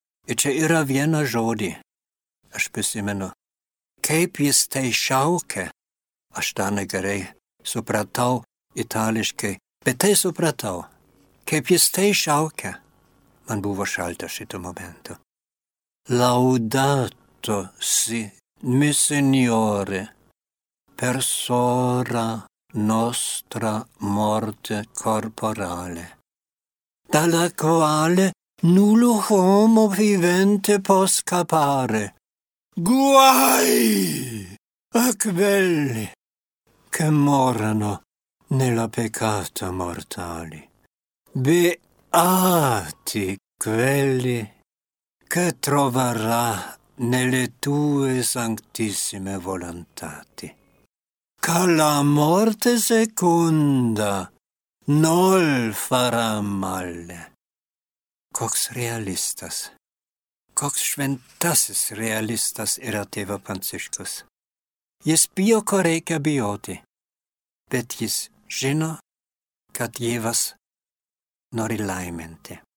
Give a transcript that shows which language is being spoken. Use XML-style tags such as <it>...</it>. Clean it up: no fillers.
<lt>Ir čia yra viena žodį, aš prisimenu, kaip jis tai šaukė, aš tą negerai supratau itališkai, bet tai supratau, kaip jis tai šaukė, man buvo šalta šito momento.</lt> <it>Laudato si, mi signore, per sora nostra morte corporale, dalla quale nullo homo vivente può scappare. Guai a quelli che morano nella peccata mortali. Beati quelli che troverà nelle tue santissime volontati. Che la morte seconda non farà male.</it> <lt>Koks realistas, koks šventasis realistas yra tėva Pranciškus. Jis bijo, ko reikia bijoti, bet jis žino, kad Dievas nori laiminti.</lt>